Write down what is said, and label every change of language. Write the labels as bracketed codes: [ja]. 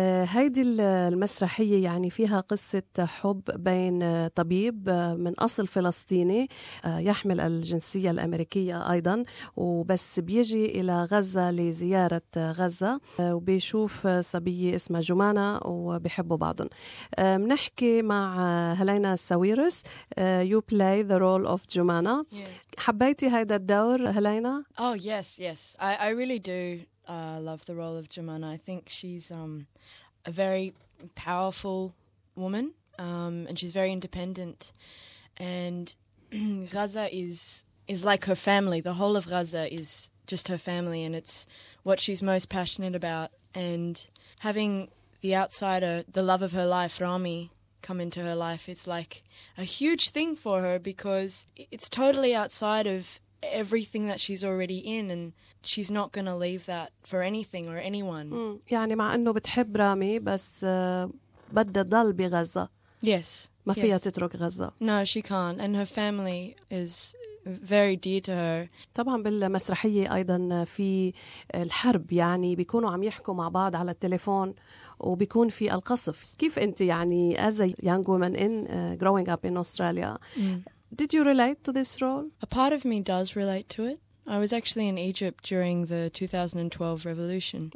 [ar] هيدي المسرحية يعني فيها قصة حب بين طبيب من أصل فلسطيني يحمل الجنسية الأمريكية أيضا وبس بيجي إلى غزة لزيارة غزة وبيشوف صبية اسمها جمانة وبيحبوا بعضهم. بنحكي مع هيلينا سويرس. [en] You play the role of جمانة. [ar] حبيتي هيدا الدور هيلينا؟ [en] Oh yes, yes. I really do love the role of Jemana. I think she's a very powerful woman, and she's very independent. And Gaza is like her family. The whole of Gaza is just her family, and it's what she's most passionate about. And having the outsider, the love of her life, Rami, come into her life, it's like a huge thing for her because it's totally outside of everything that she's already in and she's not going to leave that for anything or anyone. [ar] يعني مع انه بتحب رامي بس بدها تضل بغزة. [en] Yes. [ar] ما فيها تترك غزة. [en] No, she can't and her family is very dear to her. [ar] طبعا بالمسرحية ايضا في الحرب يعني بيكونوا عم يحكوا مع بعض على التليفون وبيكون في القصف. كيف انت يعني [en] as a young woman in growing up in Australia? Did you relate to this role? A part of me does relate to it. I was actually in Egypt during the 2012 revolution.